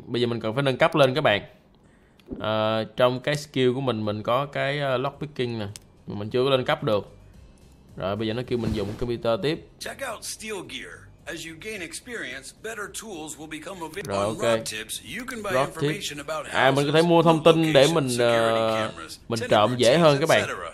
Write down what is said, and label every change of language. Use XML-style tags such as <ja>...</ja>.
<vi>Bây giờ mình cần phải nâng cấp lên các bạn. Trong cái skill của mình có cái lock picking nè. Mà mình chưa có lên cấp được. Rồi bây giờ nó kêu mình dùng computer tiếp.</vi> <en>Check out steel gear. As you gain experience, better tools will become available. Rồi, okay. Tips, you can buy information about houses,</en> <vi>à, mình có thể mua thông tin để mình cameras, mình trộm dễ hơn các bạn.</vi>